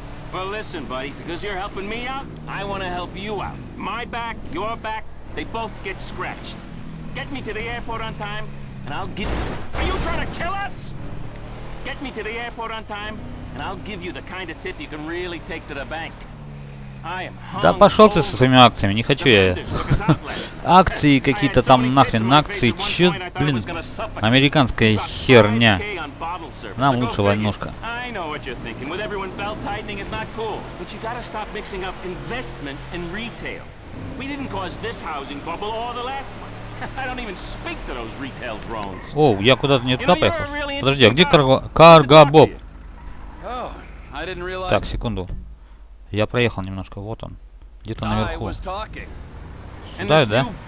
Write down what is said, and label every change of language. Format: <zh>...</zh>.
<en>Well, listen, buddy, because you're helping me out, I want to help you out. My back, your back, they both get scratched. Get me to the airport on time, and I'll give you... Are you trying to kill us? Get me to the airport on time, and I'll give you the kind of tip you can really take to the bank. I am hungry.</en> <ru>Да пошел ты со своими акциями, не хочу я. Акции какие-то там нахрен, на акции, че, блин, американская херня. Нам лучше войнушка.</ru> <en>I know what you're thinking. With everyone belt tightening, it's not cool. But you gotta stop mixing up investment and retail. We didn't cause this housing bubble or the last one. I don't even speak to those retail drones.</en> <ru>О, я куда-то не туда поехал. Подожди, а где карго-боб? Так, секунду. Я проехал немножко, вот он. Где-то наверху. Сюда, да?</ru>